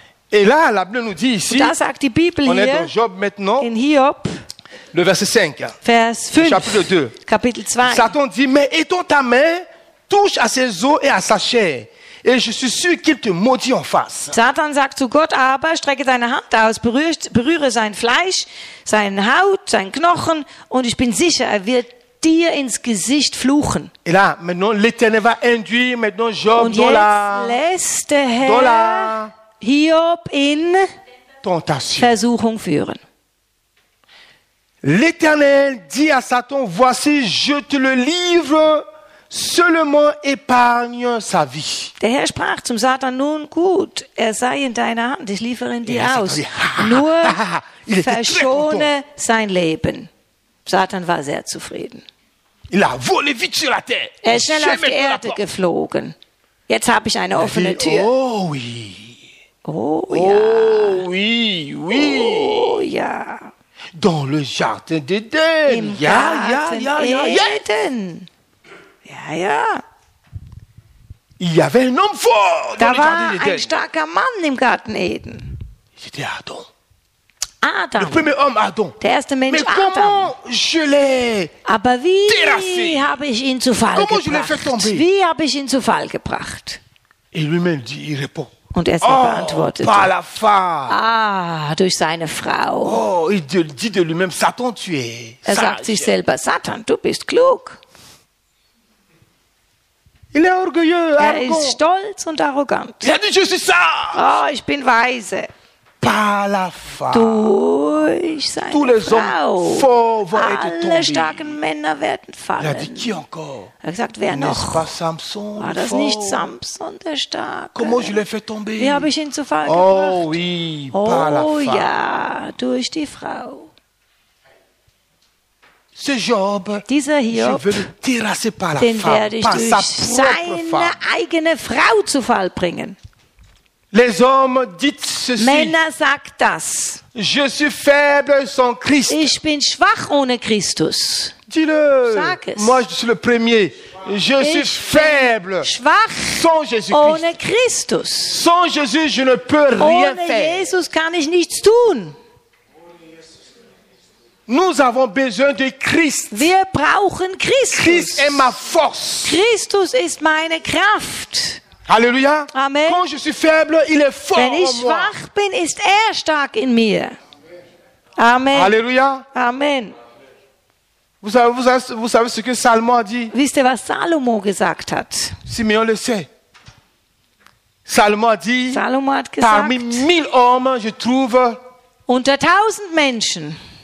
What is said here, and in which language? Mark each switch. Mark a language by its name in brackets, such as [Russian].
[French] Et là, la Bible nous dit ici, [German] da sagt die Bibel [French] on [German] hier, [French] est dans Job maintenant, [German] in Hiob, [French] le verset 5, [German] Vers 5 [French] chapitre 2. [German] Kapitel 2. [French] Satan dit, mais étends ta main, touche à ses os et à sa chair, et je suis sûr qu'il te maudit en face. [German] Satan sagt zu Gott, aber strecke deine Hand aus, berühre sein Fleisch, seine Haut, seinen Knochen, und ich bin sicher, er wird dir ins Gesicht fluchen. [French] Et là, maintenant, l'Éternel va induire maintenant Job dans la. [German] Lässt der Herr [French] dans la [German] Hiob in [French] tentation. [German] Versuchung führen. [French] L'Éternel dit à Satan, voici, je te le livre, seulement épargne sa vie. [German] Der Herr sprach zum Satan, nun gut, er sei in deiner Hand, ich liefere ihn dir aus. [French] Dit, [German] nur verschone sein Leben. Satan war sehr zufrieden. [French] Il a volé vite sur la terre. [German] Er ist schnell auf die Erde geflogen. Jetzt habe ich eine offene Tür. [French] Oh oui. [German] Oh ja. [French] Oh oui, oui. [German] Oh ja. [French] Dans le jardin d'Eden. [German] Im Garten Eden. Ja, ja. [French] Il y avait un homme fort [German] da war ein starker Mann im Garten Eden. [French] C'était Adam. [German] Adam. [French] Le premier homme, Adam. [German] Der erste Mensch, [French] mais comment [German] Adam. [French] Je l'ai [German] aber wie [French] terrassé? [German] Habe ich ihn zu Fall [French] comment [German] gebracht? [French] Je l'ai fait tomber? [German] Wie habe ich ihn zu Fall gebracht? [French] Et lui-même dit, il répond. [German] Und er beantwortete. [French] Par la femme. [German] Ah, durch seine Frau. [French] Oh, il dit de lui-même, Satan, tu es [German] er sagt sich selber, Satan, du bist klug. [French] Il est orgueilleux, arrogant. [German] Er ist stolz und arrogant. [French] Il a dit, je suis sage. [German] Oh, ich bin weise. [French] Par la femme. [German] Durch seine [French] Tous les [German] Frau. [French] Hommes forts vont [German] Alle [French] être tombés. [German] Starken Männer werden fallen. [French] Il a dit, qui encore? [German] Er sagt, wer [French] N'est-ce [German] noch? [French] Pas Samson, [German] War das [French] fort? [German] Nicht Samson, der Starke? [French] Comment je l'ai fait tomber? [German] Wie habe ich ihn zu Fall oh, gebracht? [French] Oui, par oh la [German] femme. Ja, durch die Frau. [French] Ce Job, [German] Dieser Hiob, [French] je veux le par la [German] den [French] femme, [German] werde ich [French] par [German] durch [French] sa [German] seine [French] femme. [German] Eigene Frau zu Fall bringen. [French] Les hommes dites ceci. [German] Männer, sagt das. [French] Je suis faible sans Christ. [German] Ich bin schwach ohne Christus. [French] Dis-le. [German] Sag es. [French] Moi, je suis le premier. Je [German] ich [French] suis faible [German] schwach [French] sans Jésus Christ. [German] Ohne Christus. [French] Sans Jésus, je ne peux [German] ohne [French] rien [German] Jesus [French] faire. [German] Jesus kann ich nichts tun. [French] Nous avons besoin de Christ. [German] Wir brauchen Christus. [French] Christ est ma force. [German] Christus ist meine Kraft. Halleluja. Amen. [French] Quand je suis faible, il est fort [German] Wenn ich schwach [French] moi. [German] Bin, ist stark in mir. Amen. Halleluja. Amen. [French] Vous savez ce que Salomon a dit? [German] Wisst ihr, was Salomo gesagt hat? [French] Simeon le sait. Salomon a dit, [German] Salomo hat gesagt, [French] parmi mille hommes, je trouve [German] unter tausend Menschen